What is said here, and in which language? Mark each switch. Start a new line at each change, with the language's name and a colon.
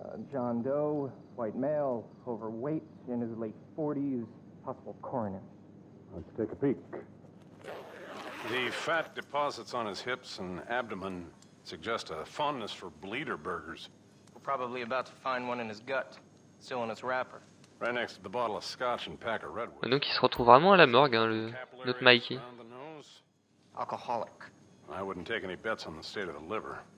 English: John Doe, white male, overweight, in his late 40s, possible coroner. Let's take a peek. The fat deposits on his hips and abdomen suggest a fondness for bleeder burgers. We're probably about to find one in his gut, still in its wrapper. Right next to the bottle of scotch and pack of redwood.
French: Donc il se retrouve vraiment à la morgue, hein, notre Mikey.
English: Alcoholic. I wouldn't take any bets on the state of the liver.